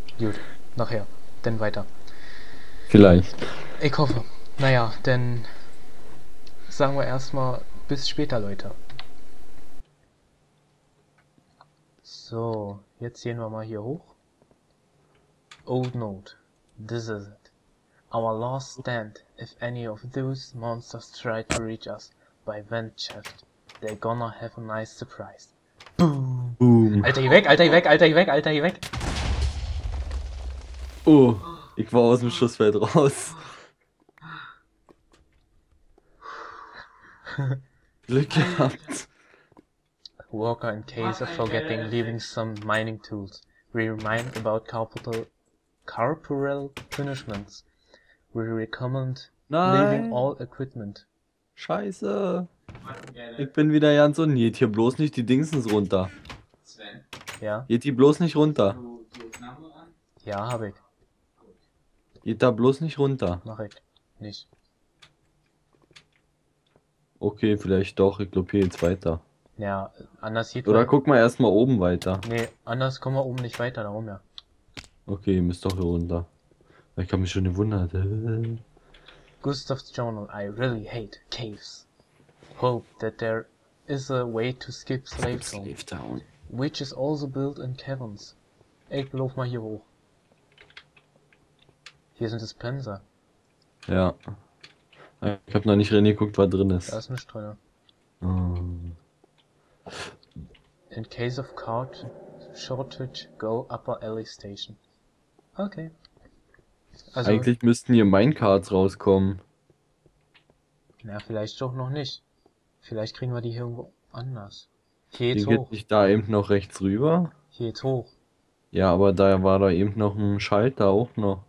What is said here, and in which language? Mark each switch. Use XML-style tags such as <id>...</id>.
<de>Gut, nachher. Dann weiter. Vielleicht. Ich hoffe. Naja, dann sagen wir erstmal bis später, Leute. So, jetzt gehen wir mal hier hoch.</de> <en>Old Note. This is it. Our last stand. If any of those monsters try to reach us by vent shaft, they're gonna have a nice surprise. Boom! Boom!</en> <de>Alter, geh weg, Alter, geh weg, Alter, geh weg, Alter, geh weg! Oh, ich war aus dem Schussfeld raus. Glück gehabt.</de> <en>Walker, in case of forgetting, leaving some mining tools. We remind about corporal punishments. We recommend leaving all equipment.</en> <de>Scheiße. Ich bin wieder ganz unten. Geht hier bloß nicht die Dingsens runter. Sven? Ja? Geht die bloß nicht runter. Ja, hab ich. Geht da bloß nicht runter. Mach ich. Nicht. Okay, vielleicht doch. Ich glaube, hier geht's weiter. Ja, anders geht's. Oder guck mal erstmal oben weiter. Nee, anders kommen wir oben nicht weiter. Darum ja. Okay, ihr müsst doch hier runter. Ich hab mich schon gewundert.</de> <en>Gustav's Journal. I really hate caves. Hope that there is a way to skip Slave Town. Slave Town. Which is also built in caverns.</en> <de>Ich lauf mal hier hoch. Hier ist ein Dispenser. Ja. Ich hab noch nicht reingeguckt, was drin ist. Da ist nicht drin. Oh.</de> <en>In case of card shortage, go upper alley station.</en> <de>Okay. Also, eigentlich müssten hier Minecards rauskommen. Na, vielleicht doch noch nicht. Vielleicht kriegen wir die hier irgendwo anders. Hier geht's hoch. Nicht da eben noch rechts rüber? Hier geht's hoch. Ja, aber da war da eben noch ein Schalter auch noch.</de>